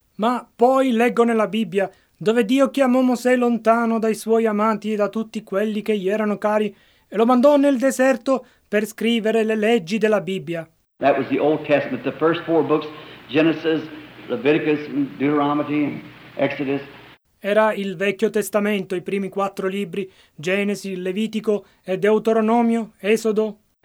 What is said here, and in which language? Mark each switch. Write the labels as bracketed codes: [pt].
[it] Ma poi leggo nella Bibbia dove Dio chiamò Mosè lontano dai suoi amati e da tutti quelli che gli erano cari e lo mandò nel deserto per scrivere le leggi della Bibbia. [en] That was the Old Testament, the first four books, Genesis, Leviticus, Deuteronomy, and Exodus. [it] Era il Vecchio Testamento, i primi quattro libri, Genesi, Levitico e Deuteronomio, Esodo.